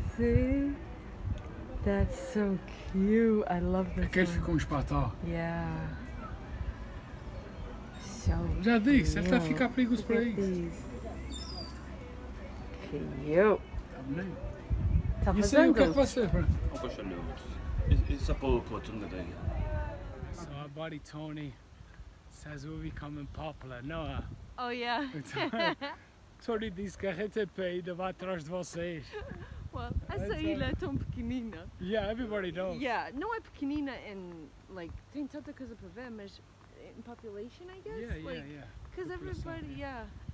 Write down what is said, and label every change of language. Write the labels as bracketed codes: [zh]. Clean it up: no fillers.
[en] Sim. That's so cute. I love this. [pt] Aquele ficou um espatão. [en] Yeah. So [pt] já disse, ele está a ficar perigoso para isso. [en] Cute. [pt] Está bonito. E isso aí, o que é que vai ser, Fran? Isso é para o outro lado da ilha. [en] So, our buddy Tony says we're becoming popular, Noah. Oh, yeah. [pt] Tony diz que a gente é peido, vai atrás de vocês. Well, essa ilha é tão pequenina. [en] Yeah, everybody knows. [pt] Yeah, não é pequenina em, like, tem tanta coisa para ver, mas in population, I guess? [en] Yeah. Because everybody, yeah.